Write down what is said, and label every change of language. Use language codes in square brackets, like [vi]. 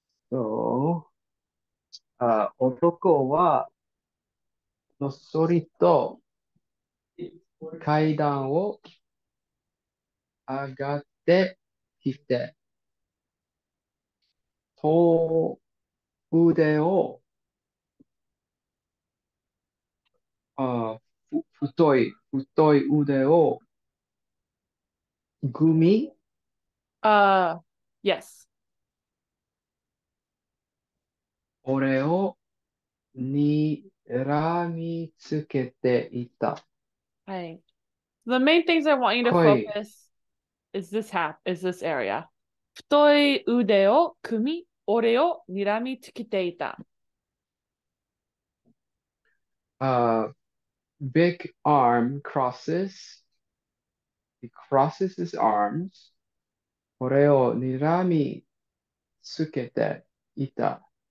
[ja] So, 男はのっそりと階段を上がってきて、太い腕をグミ？ [en] Yes. [ja] 俺をにらみつけていた。 [en] Hey. The main things I want you to focus is this half, is this area. [ja] 太い腕を組み、俺をにらみつけていた。 [en] Big arm crosses. He crosses his arms. [ja] 俺をにらみつけていた。